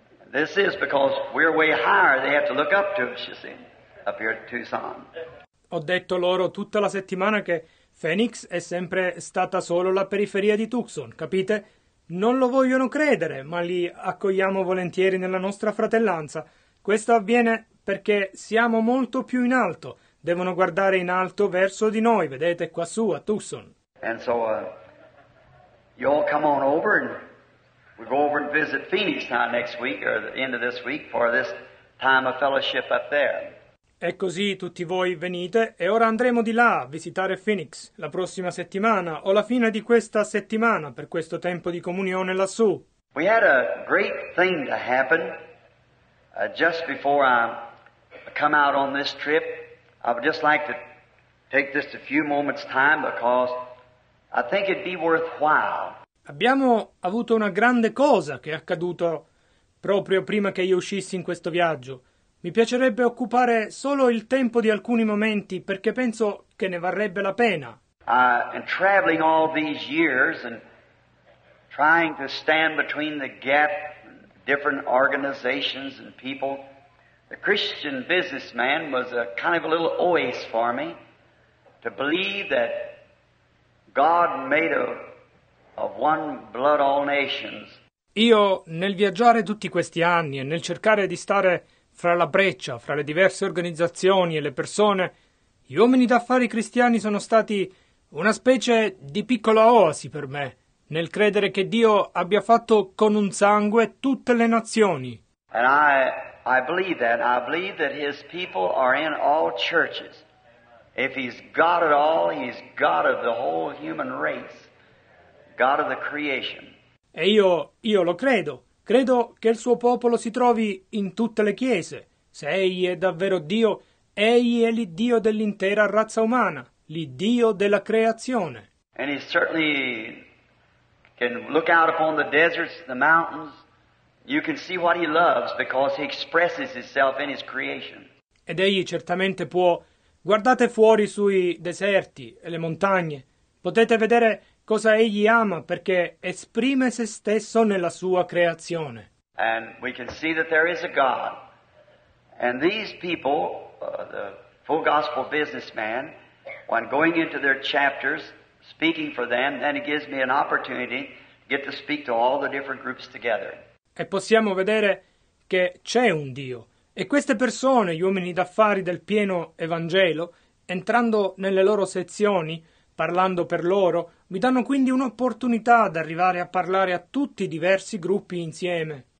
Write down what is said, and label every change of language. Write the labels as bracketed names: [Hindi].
[English] This is because we're way higher, they have to look up to us, you see, up here at Tucson. [Italian] Ho detto loro tutta la settimana che Phoenix è sempre stata solo la periferia di Tucson, capite? Non lo vogliono credere, ma li accogliamo volentieri nella nostra fratellanza. Questo avviene perché siamo molto più in alto. Devono guardare in alto verso di noi, vedete, quassù, a Tucson. [English] And so, you all come on over and we go over and visit Phoenix now next week or the end of this week for this time of fellowship up there. [Italian] E così tutti voi venite e ora andremo di là a visitare Phoenix la prossima settimana o la fine di questa settimana per questo tempo di comunione lassù. [English] We had a great thing to happen just before I come out on this trip. I would just like to take just a few moments time because I think it'd be worthwhile. [Italian] Abbiamo avuto una grande cosa che è accaduto proprio prima che io uscissi in questo viaggio. Mi piacerebbe occupare solo il tempo di alcuni momenti perché penso che ne varrebbe la pena. [English] And traveling all these years and trying to stand between the gap, different organizations and people, the Christian businessman was a kind of a little oasis for me to believe that God made of one blood all nations. [Italian] Io nel viaggiare tutti questi anni e nel cercare di stare fra la breccia, fra le diverse organizzazioni e le persone, gli uomini d'affari cristiani sono stati una specie di piccola oasi per me, nel credere che Dio abbia fatto con un sangue tutte le nazioni. [English] And I believe that. I believe that his people are in all churches. If he's God at all, he's God of the whole human race, God of the creation. [Italian] E io lo credo. Credo che il suo popolo si trovi in tutte le chiese. Se egli è davvero Dio, egli è l'Iddio dell'intera razza umana, l'Iddio della creazione. [English] And he certainly can look out upon the deserts, the mountains. You can see what he loves because he expresses himself in his creation. [Italian] Ed egli certamente può. Guardate fuori sui deserti e le montagne. Potete vedere cosa egli ama perché esprime se stesso nella sua creazione. [English] And we can see that there is a God. And these people, the full gospel businessman, when going into their chapters, speaking for them, then it gives me an opportunity to get to speak to all the different groups together. [Italian] E possiamo vedere che c'è un Dio. E queste persone, gli uomini d'affari del pieno Evangelo, entrando nelle loro sezioni, parlando per loro, mi danno quindi un'opportunità ad arrivare a parlare a tutti i diversi gruppi insieme.